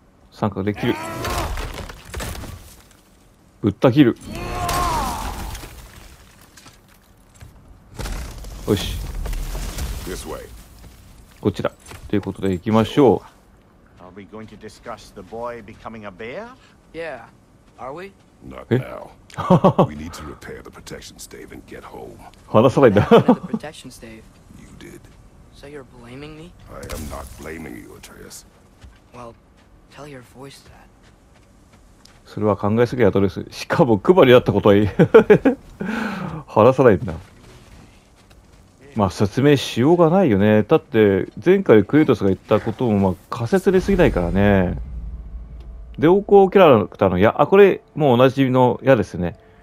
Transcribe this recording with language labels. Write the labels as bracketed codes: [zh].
[ja] 三角で切る。ぶった切る。よし。 [en] This way. [ja] こちら。ということで行きましょう。 [en] So, are we going to discuss the boy becoming a bear? Yeah. Are we? Not now. We need to repair the protection stave and get home. [ja] 話さないんだ。 [en] The protection stave. You did. So you're blaming me? I am not blaming you, Atreus. Well, tell your voice that. [ja] それは考えすぎやとです。しかも配りだったことはいい。話さないんだ。説明しようがないよね。だって、前回クレイトスが言ったことも仮説に過ぎないからね。で、同行キャラクターの矢。あ、これ、もうおなじみの矢ですね。